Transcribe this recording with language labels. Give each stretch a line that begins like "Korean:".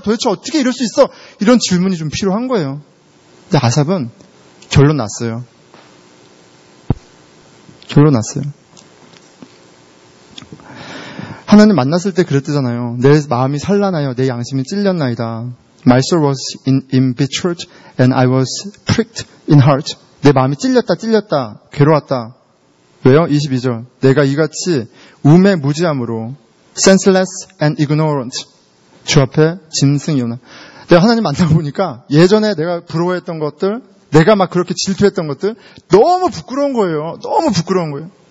Korean: 도대체 어떻게 이럴 수 있어? 이런 질문이 좀 필요한 거예요. 근데 아삽은 결론 났어요. 결론 났어요. 하나님 만났을 때 그랬대잖아요. 내 마음이 산란하여 내 양심이 찔렸나이다.
English: My soul was in betrayed and I was pricked in heart.
Korean: 내 마음이 찔렸다. 괴로웠다. 왜요? 22절. 내가 이같이 우매 무지함으로
English: senseless and ignorant
Korean: 주 앞에 짐승이오나. 내가 하나님 만나고 보니까 예전에 내가 부러워했던 것들, 내가 막 그렇게 질투했던 것들 너무 부끄러운 거예요. 너무 부끄러운 거예요.